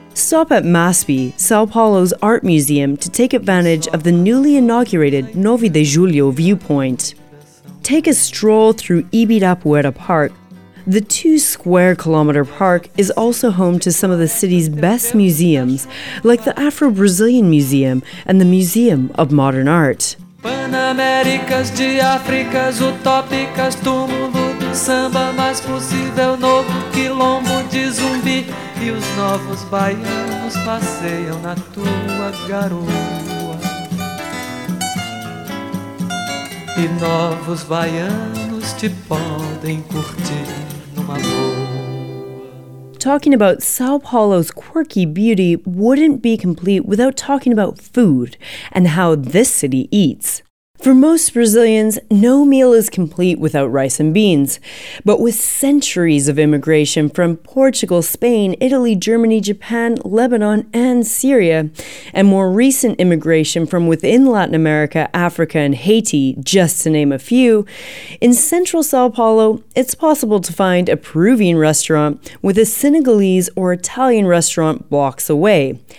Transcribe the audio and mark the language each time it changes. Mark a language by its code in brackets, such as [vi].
[en] Stop at MASP, Sao Paulo's art museum, to take advantage of the newly inaugurated 9 de Julho viewpoint. Take a stroll through Ibirapuera Park. The 2-square-kilometer park is also home to some of the city's best museums, like the Afro-Brazilian Museum and the Museum of Modern Art. [pt] Pan-Américas de Áfricas, utópicas, túmulo do samba mais possível, novo quilombo de zumbi, e os novos baianos passeiam na tua garoa. E novos baianos te podem curtir numa boa. [en] Talking about Sao Paulo's quirky beauty wouldn't be complete without talking about food and how this city eats. For most Brazilians, no meal is complete without rice and beans. But with centuries of immigration from Portugal, Spain, Italy, Germany, Japan, Lebanon, and Syria, and more recent immigration from within Latin America, Africa, and Haiti, just to name a few, in central Sao Paulo, it's possible to find a Peruvian restaurant with a Senegalese or Italian restaurant blocks away.